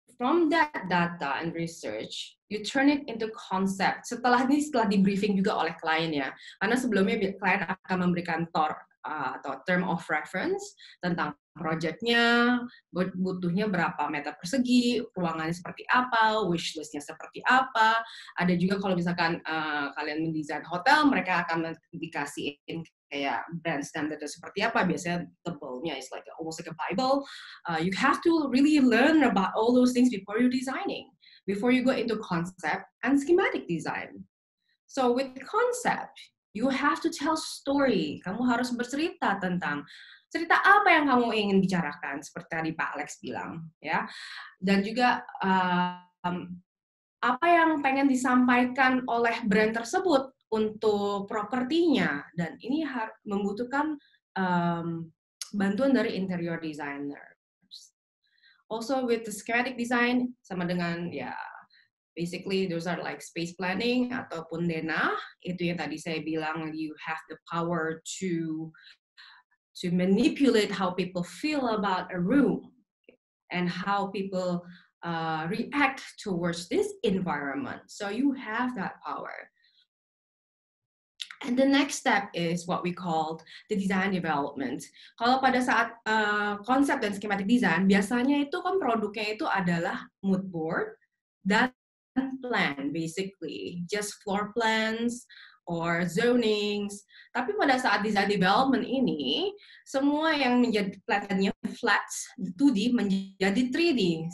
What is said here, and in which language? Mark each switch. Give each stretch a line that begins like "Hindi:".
English: From that data and research, you turn it into concept.
Indonesian: Setelah di briefing juga oleh klien ya, karena sebelumnya klien akan memberikan TOR atau term of reference tentang projectnya, butuhnya berapa meter persegi, ruangannya seperti apa, wish listnya seperti apa. Ada juga kalau misalkan kalian mendesain hotel, mereka akan dikasihin kayak brand standard seperti apa, biasanya tebelnya
English: is like almost like a bible. You have to really learn about all those things before you designing, before you go into concept and schematic design. So with concept, you have to tell story.
Indonesian: Kamu harus bercerita tentang cerita apa yang kamu ingin bicarakan, seperti tadi Pak Alex bilang, ya. Dan juga apa yang pengen disampaikan oleh brand tersebut untuk propertinya, dan ini membutuhkan bantuan dari interior designers.
English: Also with the schematic design,
Indonesian: sama dengan ya,
English: basically those are like space planning
Indonesian: ataupun denah, itu yang tadi saya bilang,
English: you have the power to manipulate how people feel about a room and how people react towards this environment. So you have that power. And the next step is what we called the design development.
Indonesian: Kalau pada saat konsep dan schematic design, biasanya itu kan produknya itu adalah mood board dan plan, basically.
English: Just floor plans or zonings.
Indonesian: Tapi pada saat design development ini, semua yang menjadi plannya flat, 2D, menjadi 3D.